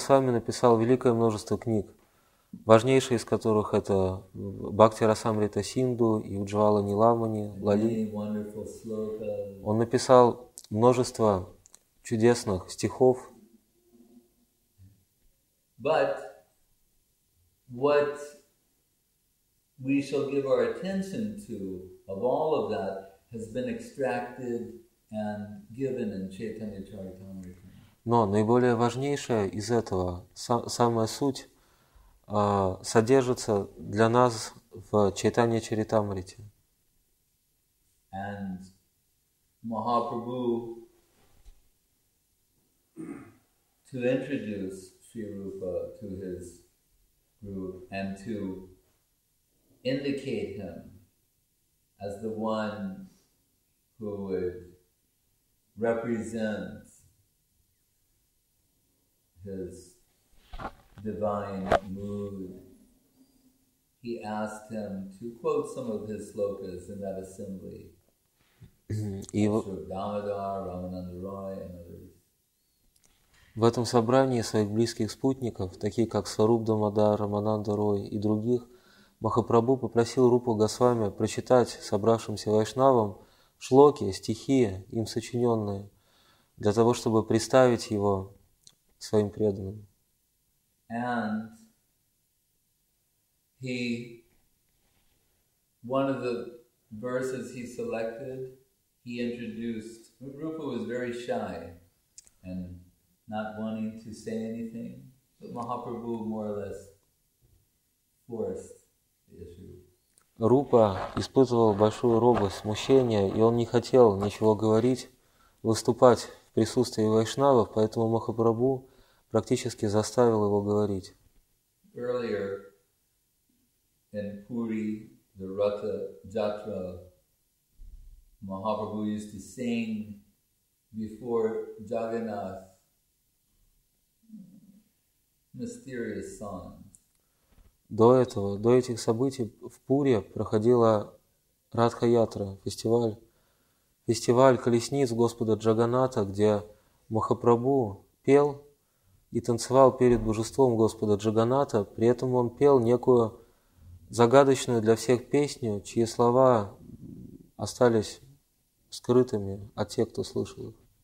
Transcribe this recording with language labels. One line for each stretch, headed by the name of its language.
Russian: написал великое множество книг, важнейшие из которых это Бхакти Расамрита Синдху и Уджвала Ниламани,
English: and Лали. many wonderful slokas.
Russian: Он написал множество чудесных стихов.
English: But what we shall give our attention to of all of that has been extracted and given in Chaitanya Charitamrita.
Russian: Но наиболее важнейшая из этого, самая суть, содержится для нас в Чайтанья Чаритамрите.
English: And Mahaprabhu to introduce Sri Rupa to his group and to indicate him as the one who would represent his divine mood. He asked him to quote some of his slokas in that assembly,
Russian: И
English: Ashok Damodar, Ramananda Roy, and others.
Russian: в этом собрании своих близких спутников, таких как Сваруп Дамодар, Рамананда Рой и других, Махапрабху попросил Рупу Госвами прочитать собравшимся вайшнавам шлоки, стихи, им сочиненные, для того, чтобы представить его своим преданным.
English: And he, one of the verses he selected, he introduced. Rupa was very shy and not wanting to say anything, but Mahaprabhu more or less forced the issue.
Russian: Рупа испытывал большую робость, смущение, и он не хотел ничего говорить, выступать в присутствии вайшнавов, поэтому Махапрабху практически заставил его говорить.
English: Earlier in Puri, the Ratha Jatra, Mahaprabhu used to sing before Jagannath mysterious song.
Russian: До этих событий в Пуре проходила Радха Ятра, фестиваль колесниц Господа Джаганната, где Махапрабху пел и танцевал перед божеством Господа Джаганната, при этом он пел некую загадочную для всех песню, чьи слова остались скрытыми от тех, кто слышал их.